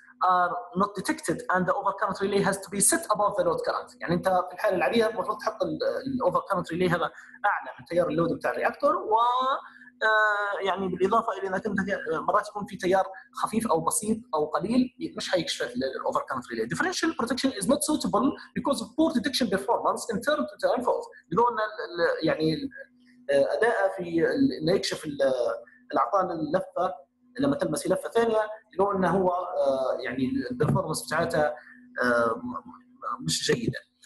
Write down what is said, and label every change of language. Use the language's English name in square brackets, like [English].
[English] are not detected and the overcurrent relay has to be set above the load current. [Arabic] يعني انت في الحالة العادية المفروض تحط الاوفركرنت ريلي هذا اعلى من تيار اللود بتاع الرياكتور و يعني بالاضافة الى انك انت مرات يكون في تيار خفيف او بسيط او قليل مش هيكشف الاوفركرنت ريلي. [English] Differential protection is not suitable because of poor detection performance in turn to turn fault. [Arabic] لقولنا يعني اداء في انه يكشف العطال اللفة لما تلمس في لفه ثانيه لو انه هو يعني البرفورمانس بتاعتها مش جيده.